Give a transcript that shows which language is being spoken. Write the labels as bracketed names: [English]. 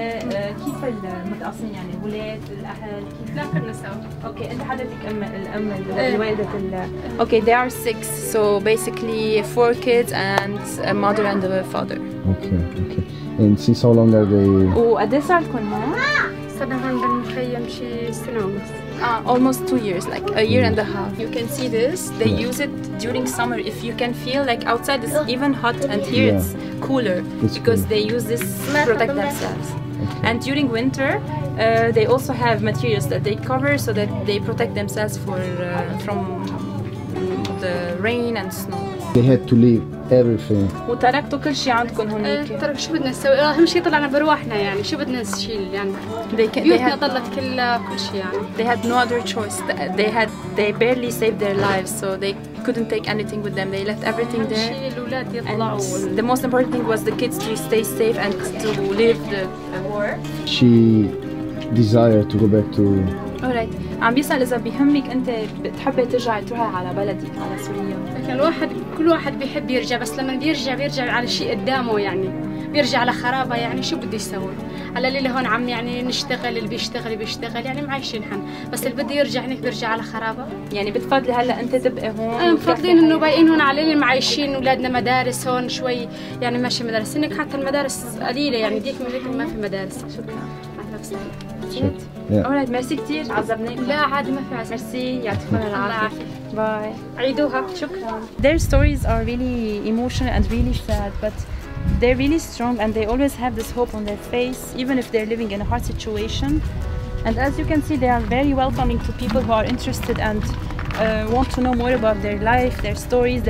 [Arabic] كيف المتقاسمين يعني ولاد الأهل كيف؟ لا كلنا سوا. Okay, أنت عددك الأم الوالدة ال. [English] Okay, they are six. So basically four kids and a mother and a father. Okay. And since how long are they? [Arabic] وقد ايش صار لكم هون؟ صرنا بنخيم شي سنة ونص. [English] Almost 2 years, like a year and a half. You can see this, they use it during summer. If you can feel like outside it's even hot and here it's cooler because they use this to protect themselves. And during winter, they also have materials that they cover so that they protect themselves from the rain and snow. They had to leave everything. [Arabic] وتركتوا كل شيء عندكم هناك. ترى شو بدنا نسوي؟ أهم شيء طلعنا بروحنا يعني. شو بدنا نشيل يعني؟ بيوتنا ضلت كل شيء يعني. [English] They had no other choice. They barely saved their lives, so they couldn't take anything with them. They left everything there. [Arabic] أهم شيء الأولاد يطلعوا. [English] The most important thing was the kids to stay safe and to live the war. She desired to go back to. Alright. [Arabic] عم بيسأل إذا بهمك أنت بتحبي ترجعي تروحي على بلدك على سوريا. كل واحد بيحب يرجع بس لما بيرجع على شيء قدامه يعني بيرجع على خرابة يعني شو بدي يسوي؟ على اللي هون عم يعني نشتغل اللي بيشتغل يعني معايشين حن بس اللي بدي يرجع هناك بيرجع على خرابة يعني بتفضلي هلا أنت تبقي هون؟ أنا مفضلين إنه باقيين هون على اللي معايشين أولادنا مدارس هون شوي يعني ماشي مدارس إنك حتى المدارس قليلة يعني ديك من ديك ما في مدارس شكرا على نفسك أولاد ميرسي كثير عزبناك لا عادي ما في عزب ميرسي يعطيكم العافية Bye. عيدوها شكرا. [English] Their stories are really emotional and really sad, but they're really strong and they always have this hope on their face, even if they're living in a hard situation. And as you can see, they are very welcoming to people who are interested and want to know more about their life, their stories.